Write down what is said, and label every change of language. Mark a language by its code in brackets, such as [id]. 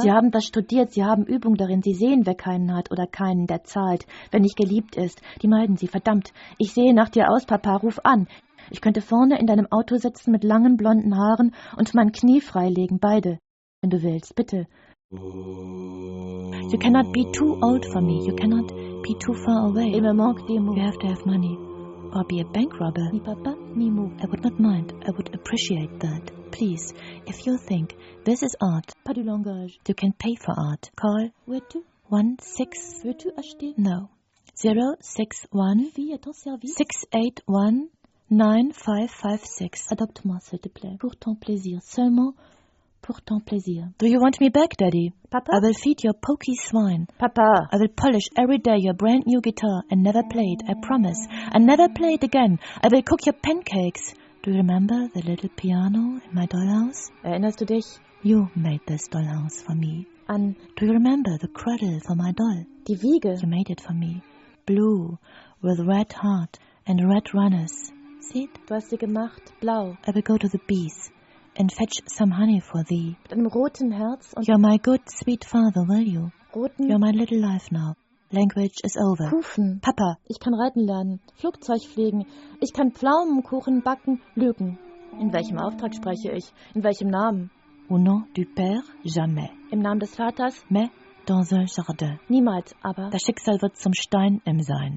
[de] Sie haben das studiert, sie haben Übung darin. Sie sehen, wer keinen hat oder keinen, der zahlt, wenn nicht geliebt ist. Die meiden sie. Verdammt. Ich sehe nach dir aus, Papa. Ruf an. Ich könnte vorne in deinem Auto sitzen mit langen blonden Haaren und mein Knie freilegen, beide, wenn du willst, bitte. [en] You cannot be too old for me, you cannot be too far away. [fr] Il me manque des mots. [en] You have to have money. Or be a bank robber. [fr] Ni papa, ni mot. [en] I would not mind, I would appreciate that. Please, if you think this is art, [fr] pas du langage, [en] you can pay for art. Call, [fr] veux-tu? 16. Veux-tu acheter? [en] No. 061. [fr] Fille, à ton service. [en] 681. 9556. [fr] Adopte-moi, s'il te plaît. Pour ton plaisir. Seulement pour ton plaisir. [en] Do you want me back, Daddy? Papa? I will feed your pokey swine. Papa? I will polish every day your brand new guitar and never play it, I promise. And never play it again. I will cook your pancakes. Do you remember the little piano in my dollhouse? [de] Erinnerst du dich? [en] You made this dollhouse for me. [de] An? [en] Do you remember the cradle for my doll? [de] Die Wiege? [en] You made it for me. Blue, with red heart and red runners. [de] Seht, du hast sie gemacht, blau. [en] I will go to the bees and fetch some honey for thee. [de] Mit einem roten Herz und... [en] You're my good, sweet father, will you? [de] Roten... [en] You're my little life now. Language is over. [de] Kufen. Papa. Ich kann reiten lernen, Flugzeug fliegen. Ich kann Pflaumenkuchen backen, lügen. In welchem Auftrag spreche ich? In welchem Namen? [fr] Au nom du père, jamais. [de] Im Namen des Vaters? [fr] Mais dans un jardin. [de] Niemals, aber... Das Schicksal wird zum Stein im Sein.